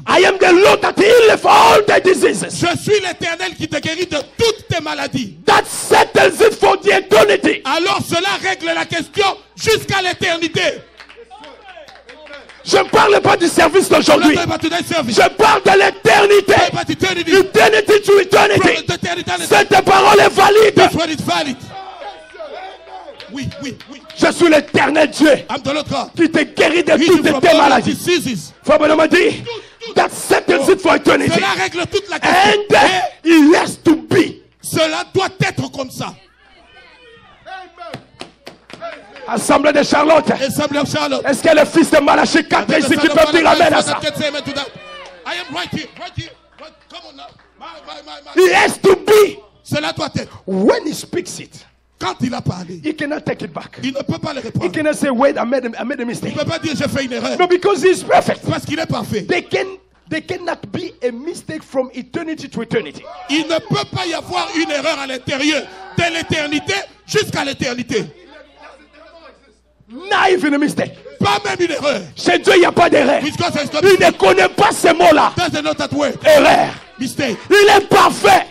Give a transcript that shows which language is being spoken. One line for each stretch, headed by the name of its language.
English: I am the Lord that heals for all the diseases.
French: Je suis l'Éternel qui te guérit de toutes tes maladies.
English: That settles it for the eternity.
French: Alors cela règle la question jusqu'à l'éternité. Je ne parle pas du service d'aujourd'hui. Je parle de l'éternité.
English: Eternity to eternity.
French: Cette parole est valide. Oui. Je suis l'éternel Dieu qui te guérit de toutes tes maladies. Faut bien me dire,
English: that settles it for eternity.
French: Cela règle toute la question.
English: And it has to be.
French: Cela doit être comme ça. Assemblée de Charlotte. Est-ce qu'il y a le fils de Malachi 4 ici qui peut dire amen à ça?
English: I am right here. Come on now. It has to be.
French: Cela doit être.
English: When he speaks it.
French: Quand il a parlé.
English: He cannot take it back.
French: Il ne peut pas le reprendre.
English: He cannot say, wait, I made a mistake.
French: Il ne peut pas dire j'ai fait une erreur.
English: No, because he's perfect.
French: Parce qu'il est parfait.
English: There cannot be a mistake from eternity to eternity.
French: Il ne peut pas y avoir une erreur à l'intérieur de l'éternité jusqu'à l'éternité.
English: Not even a mistake.
French: Pas même une erreur. Chez Dieu, il n'y a pas d'erreur. Il ne connaît pas ces mots-là. Erreur.
English: Mistake.
French: Il est parfait.